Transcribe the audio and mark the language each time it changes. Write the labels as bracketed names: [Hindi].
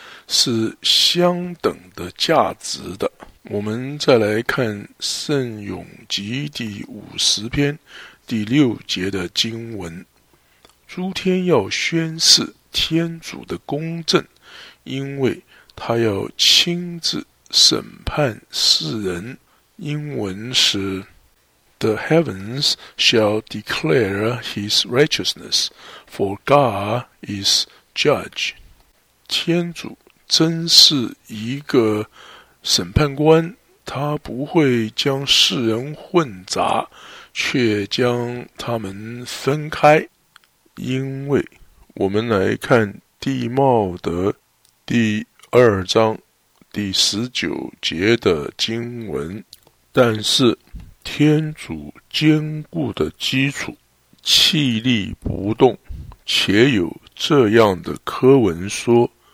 [Chinese] 是相等的价值的。我们再来看圣咏集第50篇第6节的经文，诸天要宣示天主的公正，因为他要亲自审判世人。英文是 [English] The heavens shall declare his righteousness, for God is judge. [Chinese] 天主真是一个审判官，他不会将世人混杂，却将他们分开。因为我们来看地貌的第2章第19节的经文，但是天主坚固的基础气力不动，且有这样的科文说，